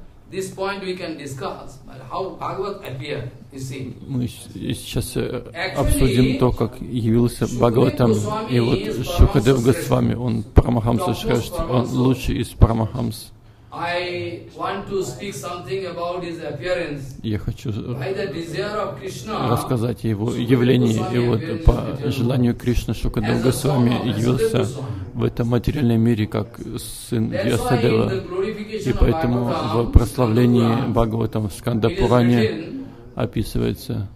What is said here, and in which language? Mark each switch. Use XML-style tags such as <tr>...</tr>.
<en>This point we can discuss, but how Bhagavat appeared, you see.</en> <ru>Мы сейчас обсудим то, как явился Бхагаватам. И вот Шукадев Госвами, он Парамахамса Шрешта, он лучший из Парамахамс.</ru> <en>I want to speak something about his appearance.</en> <ru>Я хочу</ru> <en>by the desire of Krishna,</en> <ru>рассказать о его явлении. И вот по желанию Кришны Шукадев Госвами явился в этом материальном мире как сын Ясадева. И поэтому в прославлении Бхагаватам в Скандапуране описывается.</ru>